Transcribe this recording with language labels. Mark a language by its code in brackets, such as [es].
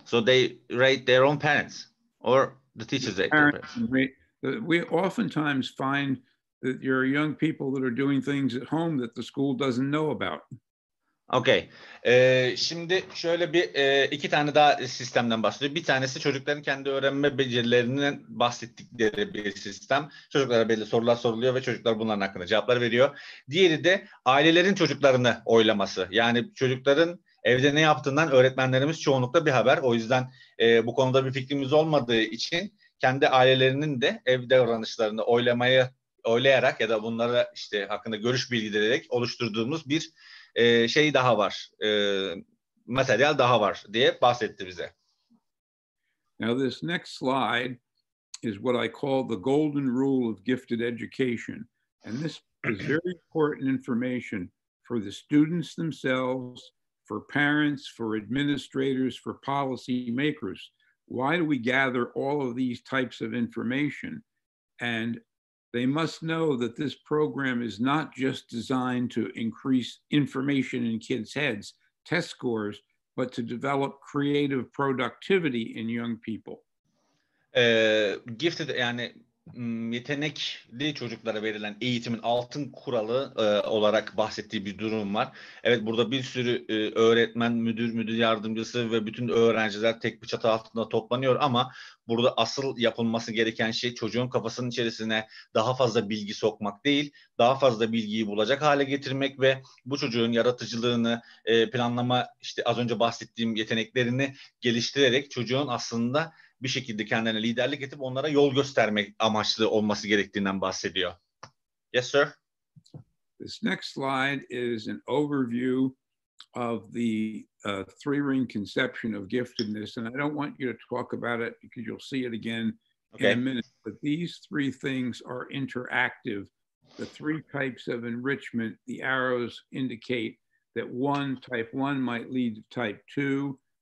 [en] So they rate their own parents or the teachers. We oftentimes find that there are young people that are doing things at home that the school doesn't know about. Okay. [tr] Şimdi şöyle bir iki tane daha sistemden bahsediyor. Bir tanesi çocukların kendi öğrenme becerilerinden bahsettikleri bir sistem. Çocuklara belli sorular soruluyor ve çocuklar bunların hakkında cevaplar veriyor. Diğeri de ailelerin çocuklarını oylaması. Yani çocukların evde ne yaptığından öğretmenlerimiz çoğunlukla bir haber. O yüzden bu konuda bir fikrimiz olmadığı için kendi ailelerinin de evde davranışlarını oylayarak ya da bunlara işte hakkında görüş bildirerek oluşturduğumuz bir şey daha var, materyal daha var diye bahsetti bize. [en] Now this next slide is what I call the golden rule of gifted education. And this is very important information for the students themselves, for parents, for administrators, for policy makers. Why do we gather all of these types of information? And they must know that this program is not just designed to increase information in kids' heads, test scores, but to develop creative productivity in young people. [tr] Gifted, yani yetenekli çocuklara verilen eğitimin altın kuralı olarak bahsettiği bir durum var. Evet, burada bir sürü öğretmen, müdür yardımcısı ve bütün öğrenciler tek bir çatı altında toplanıyor ama burada asıl yapılması gereken şey çocuğun kafasının içerisine daha fazla bilgi sokmak değil, daha fazla bilgiyi bulacak hale getirmek ve bu çocuğun yaratıcılığını, planlama, işte az önce bahsettiğim yeteneklerini geliştirerek çocuğun aslında bir şekilde kendine liderlik edip onlara yol göstermek amaçlı olması gerektiğinden bahsediyor. [en] Yes, sir. This next slide is an overview of the three-ring conception of giftedness, and I don't want you to talk about it because you'll see it again in a minute. But these three things are interactive. The three types of enrichment, the arrows indicate that one, type one, might lead to type two.